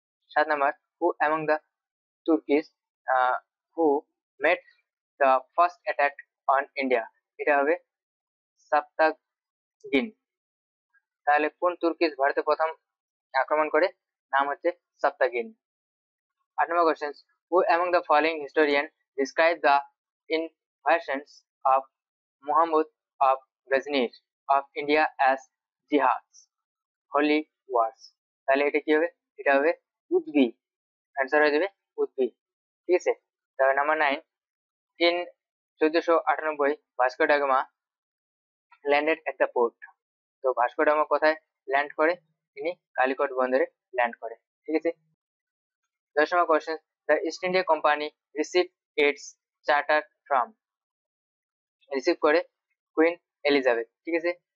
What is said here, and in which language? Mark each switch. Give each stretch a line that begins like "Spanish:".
Bangla: 7 number,
English: who among the Turks who met the first attack on India,
Bangla: এটা হবে সপ্তগিন, তাহলে কোন তুর্কিস ভারতে প্রথম আক্রমণ করে, নাম হচ্ছে সপ্তগিন।
English: 8 number questions. Who among the following historian described the invasions of Muhammad of Ghazni of India as jihads, holy wars?
Bangla: তাহলে এটা কি হবে? এটা হবে উদ্ভি, অ্যান্সার হয়ে যাবে উদ্ভি, ঠিক আছে? তাহলে number 9,
English: in 1498 Vasco da Gama landed at the port,
Bangla: তো ভাস্কো ডা গামা কোথায় ল্যান্ড করে? তিনি কালিকট বন্দরে ল্যান্ড করে, ঠিক আছে? 10 নম্বর question,
English: the East India Company receive its charter from,
Bangla: receive করে কুইন এলিজাবেথ, ঠিক আছে?